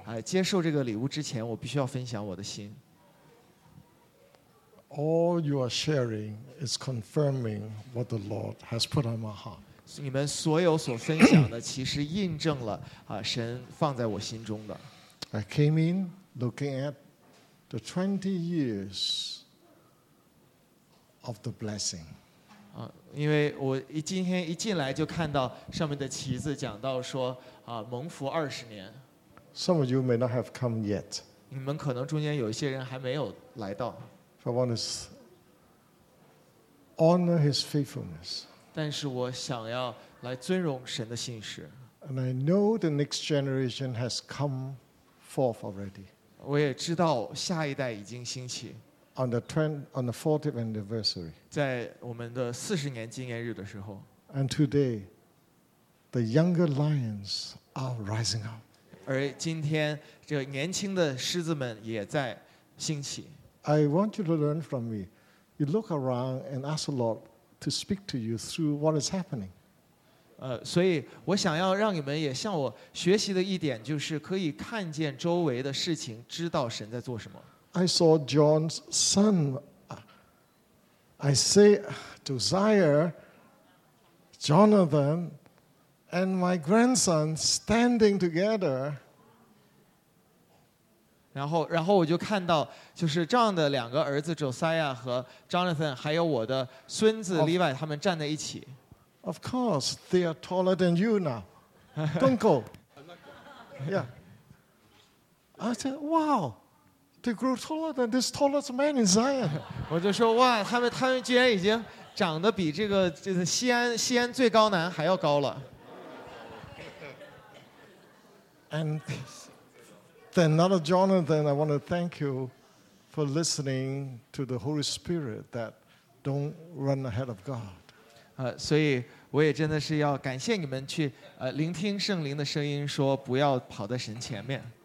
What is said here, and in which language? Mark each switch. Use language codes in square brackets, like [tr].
[zh] 所以在我代表大家来接受这个礼物之前，我必须要分享我的心。 [en] All you are sharing is confirming what the Lord has put on my heart. [zh] 你们所有所分享的其实印证了神放在我心中的。 [en] I came in looking at the 20 years of the blessing. [zh] 因为我今天一进来就看到上面的旗子讲到说蒙福二十年。 [en] Some of you may not have come yet. [zh] 你们可能中间有一些人还没有来到。 [en] I want to honor his faithfulness. [zh] 但是我想要来尊荣神的信实。 [en] And I know the next generation has come forth already. [zh] 我也知道下一代已经兴起。 [en] On the 40th anniversary. [zh] 在我们的四十年纪念日的时候。 [en] And today, the younger lions are rising up. [zh] 而今天这年轻的狮子们也在兴起。 [en] I want you to learn from me. You look around and ask the Lord to speak to you through what is happening. [zh] 所以我想要让你们也向我学习的一点就是可以看见周围的事情，知道神在做什么。 [en] I saw John's son. I say, Josiah, Jonathan, and my grandson standing together. [zh] 然后我就看到就是这样的两个儿子 Josiah 和 Jonathan 还有我的孙子 Levi 他们站在一起。 [en] Of course, they are taller than you now. Don't go. Yeah. I said, wow. They grew taller than this tallest man in Zion. [zh] 我就说哇，他们居然已经长得比这个西安最高男还要高了。 [en] And then another Jonathan, I want to thank you for listening to the Holy Spirit that don't run ahead of God. [zh] 所以我也真的是要感谢你们去聆听圣灵的声音，说不要跑在神前面。